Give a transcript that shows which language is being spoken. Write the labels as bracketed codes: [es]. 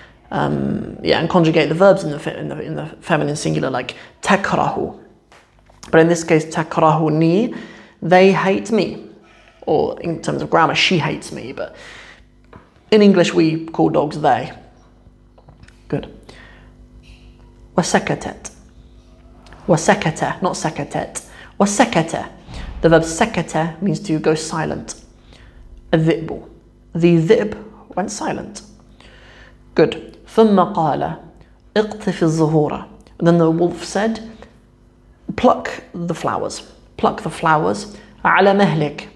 [en] And conjugate the verbs in the feminine singular like تكرهو. But in this case, تكرهوني, they hate me. Or in terms of grammar, she hates me, but in English, we call dogs they. [ar] Good. وسكتت. وسكت, not سكتت. وسكت. [en] The verb سكت means to go silent. الذئب. The ذئب went silent. Good. ف [ar] ثُمَّ قَالَ اِقْتِفِ الزُّهُورَ. [en] Then the wolf said, pluck the flowers. Pluck the flowers. [ar] عَلَى مَهْلِكَ.